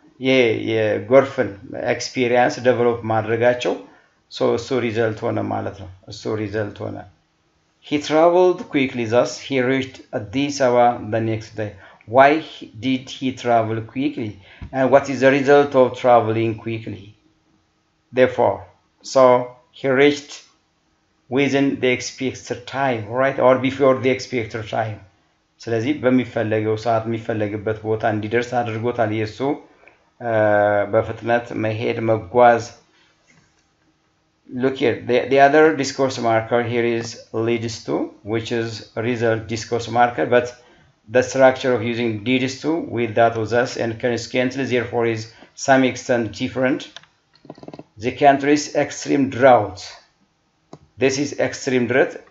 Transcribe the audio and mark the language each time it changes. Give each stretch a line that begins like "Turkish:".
Amharic: ይሄ የጎርፍን
English: experience develop
Amharic: ማድረጋቸው
English: so so result
Amharic: ሆነ ማለት ነው.
English: So result ሆነ. He traveled quickly thus he reached Addis Ababa the next day. Why did he travel quickly? And what is the result of traveling quickly? Therefore, so he reached within the expected time, right? Or before the expected time.
Amharic: ስለዚህ በሚፈለገው ሰዓት የሚፈለገበት ቦታ እንዲደርስ አድርጎታል የሱ በፍጥነት መሄድ መጓዝ.
English: Look here, the other discourse marker here is leads to, which is result discourse marker, but the structure of using leads to with that was us and can scantily therefore is some extent different. The country's extreme drought. This is extreme drought.